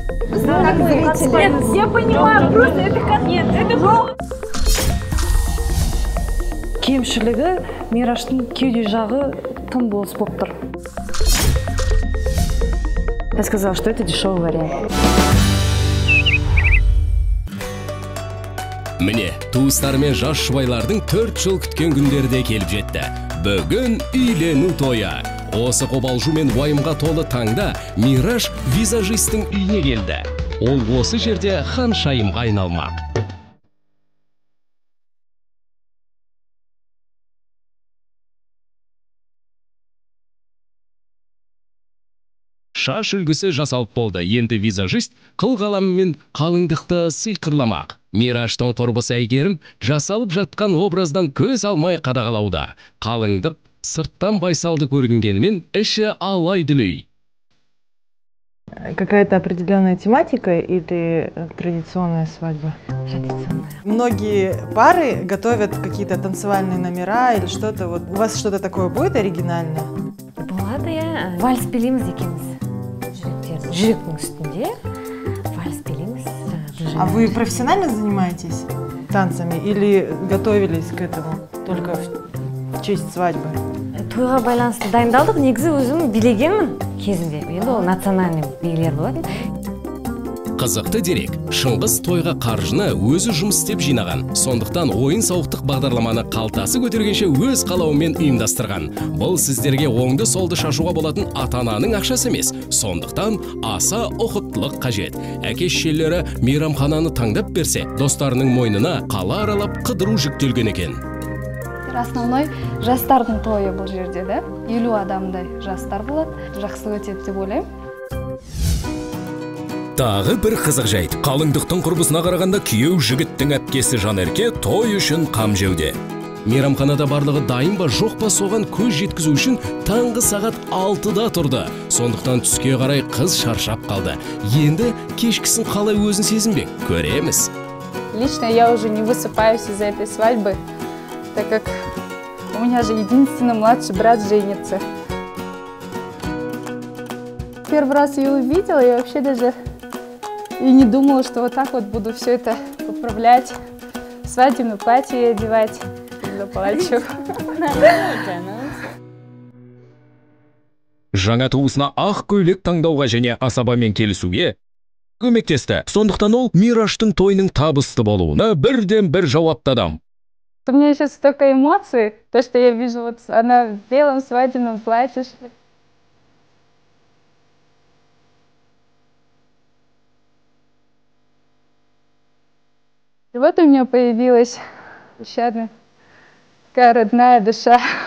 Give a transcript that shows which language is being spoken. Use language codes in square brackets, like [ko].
[ru] Нет, я понимаю, просто это конец, это был... [kk] Кемшілігі Мираштың кеуде жағы тым болыс болып тұр. [ru] Я сказал, что это дешевый вариант. [kk] Міне, туыстармен жас жұбайлардың 4 жыл күткен күндерде келіп жетті. Бүгін үйлену тойы. Осы қобалжу мен уайымға толы таңда Мираш визажистің үйіне келді. Ол осы жерде ханшайымға айналмақ. Шаш үлгісі жасалып болды. Енді визажист қыл қаламымен қалыңдықты сыйқырламақ. Мираштың құрбысы Айгерім жасалып жатқан образдан көз алмай қадағалауда. Қалыңдық сырттан байсалды көргенгенімен іші алай-дүлей. [ru] Какая-то определенная тематика или традиционная свадьба? Традиционная. Многие пары готовят какие-то танцевальные номера или что-то. Вот у вас что-то такое будет оригинальное? Булата я. Вальс пилимс дикимс. Жирикмус. Где? Вальс пилимс. А вы профессионально занимаетесь танцами или готовились к этому только в честь свадьбы? [kk] Тойға байланысты дайындалдық, негізі өзім білегенмін кезінде. Енді ол национальный билер болады. Қызықты дерек, Шыңғыс тойға қаржына өзі жұмыс істеп жинаған. Сондықтан ойын-сауықтық бағдарламаны қалтасы көтергенше өз қалауымен ұйымдастырған. Бұл сіздерге оңды-солды шашуға болатын ата-ананың ақшасы емес. Сондықтан аса ұқыптылық қажет. Әке-шешелері мейрамхананы таңдап берсе, достарының мойнына қала аралап қыдыру жүктелген екен. Основной жастардың тойы бұл жерде, да? 50 адамдай жастар болады, жақсы өтеді деп ойлаймын. Тағы бір қызық жайт. Қалыңдықтың құрбысына қарағанда күйеу жігіттің әпкесі Жанерке той үшін қам жеуде. Мейрамханада барлығы дайын ба жоқ па соған көз жеткізу үшін таңғы сағат 6-да тұрды. Сондықтан түске қарай қыз шаршап қалды. Енді кешкісін қалай өзін сезінбек, көреміз. [ru] Лично я уже не высыпаюсь из-за этой свадьбы. Так как у меня же единственный младший брат женится. Первый раз ее увидела, я вообще даже и не думала, что вот так вот буду все это управлять. Свадебное платье одевать. Заплачу. [kk] Жаңа туысына ақ көйлек таңдауға және асабамен келісуге көмектесті. Сондықтан ол Мираштың тойының табысты болуына бірден бір жауапты адам. [ru] У меня сейчас столько эмоций, то, что я вижу, вот она в белом свадебном платье. И вот у меня появилась еще одна такая родная душа.